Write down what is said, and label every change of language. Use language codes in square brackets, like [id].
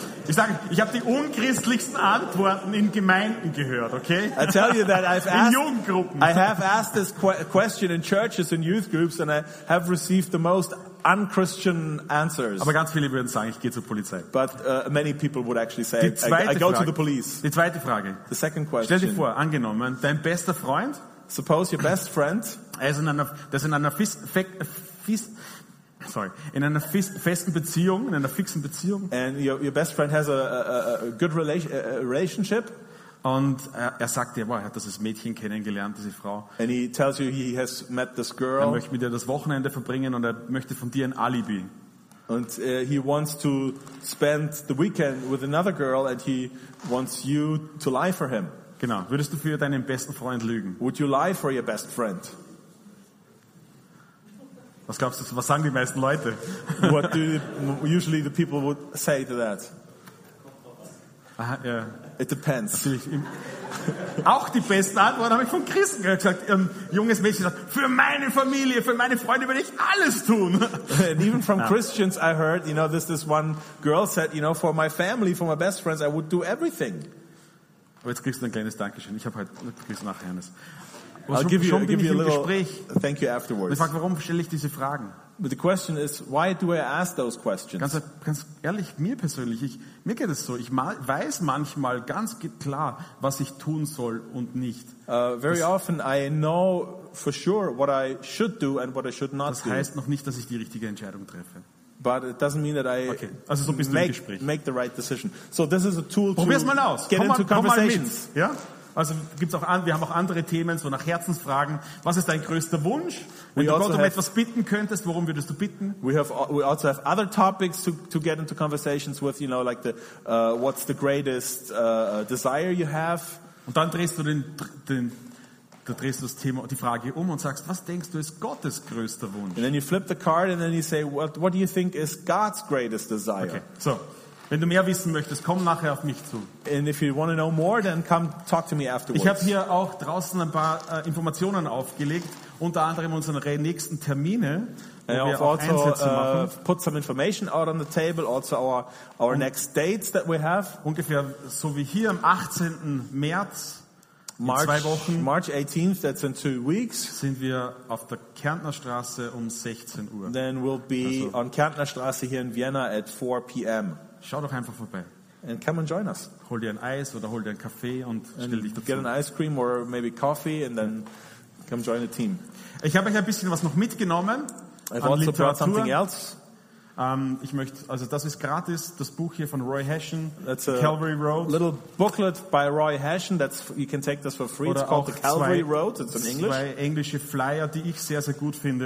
[de] Ich habe die unchristlichsten Antworten in Gemeinden gehört, okay? [en] I tell you that I've asked, [de] in Jugendgruppen. [en] I have asked this question in churches and youth groups and I have received the most unchristian answers. [de] Aber ganz viele würden sagen, ich gehe zur Polizei. [en] But many people would actually say, I go to the police. [de] Die zweite Frage. [en] The second question. [de] Stell dir vor, angenommen, dein bester Freund. [en] Suppose your best friend. [de] In einer fixen Beziehung. [en] And your best friend has a good relationship. [de] Und er sagt dir, wow, er hat das Mädchen kennengelernt, diese Frau. [en] And he tells you he has met this girl. [de] Er möchte mit dir das Wochenende verbringen und er möchte von dir ein Alibi. [en] And he wants to spend the weekend with another girl and he wants you to lie for him. [de] Genau. Würdest du für deinen besten Freund lügen? [en] Would you lie for your best friend? [de] Was glaubst du, was sagen die meisten Leute? [en] What do usually the people would say to that? [de] Aha, ja. [en] It depends. [de] Auch die besten Antworten habe ich von Christen gehört. Gesagt, ein junges Mädchen sagt, für meine Familie, für meine Freunde würde ich alles tun. [en] And even from Christians I heard, you know, this one girl said, you know, for my family, for my best friends, I would do everything. [de] Aber jetzt kriegst du ein kleines Dankeschön. Ich habe heute wirklich nachher eines. [en] Thank you afterwards. [de] Ich frage, warum stelle ich diese Fragen? [en] But the question is, why do I ask those questions? [de] Ganz ehrlich, mir persönlich, mir geht es so. Ich weiß manchmal ganz klar, was ich tun soll und nicht. [en] Very often I know for sure what I should do and what I should not do. [de] Das heißt noch nicht, dass ich die richtige Entscheidung treffe. [en] But it doesn't mean that I [de] okay. Also so [en] make the right decision. So this is a tool [de] probier's [en] to [de] mal aus. [en] Get [de] komm [en] into [de] mal, [en] conversations. [de] Komm mal mit, ja? Also gibt's auch wir haben auch andere Themen, so nach Herzensfragen. Was ist dein größter Wunsch? Wenn du Gott um etwas bitten könntest, worum würdest du bitten? [en] We also have other topics to get into conversations with, you know, like the what's the greatest desire you have. [de] Und dann drehst du das Thema, die Frage um und sagst, was denkst du ist Gottes größter Wunsch? [en] And then you flip the card and then you say, what do you think is God's greatest desire? Okay, so. [de] Wenn du mehr wissen möchtest, komm nachher auf mich zu. [en] And if you want to know more, then come talk to me afterwards. [de] Ich habe hier auch draußen ein paar Informationen aufgelegt, unter anderem unsere nächsten Termine, wo wir auch also, Einsätze machen. [en] Put some information out on the table, also our next dates that we have. [de] Ungefähr so wie hier am 18. März, [en] March, [de] in zwei Wochen. [en] March 18th, that's in 2 weeks. [de] Sind wir auf der Kärntner Straße um 16 Uhr. [en] Then we'll be also, on Kärntner Straße hier in Vienna at 4 p.m. [de] Schau doch einfach vorbei. [en] And come and join us. [de] Hol dir ein Eis oder hol dir einen Kaffee und stell dich dazu. [en] Get an ice cream or maybe coffee and then come join the team. [de] Ich habe euch ein bisschen was noch mitgenommen. [en] I've also brought something else. [de] Ich möchte, also das ist gratis, das Buch hier von Roy Hession, [en] that's a Calvary Road. Little booklet by Roy Hession, that's, you can take this for free. [de] Oder [en] it's called the Calvary Road, it's in English. [de] Zwei englische Flyer, die ich sehr, sehr gut finde.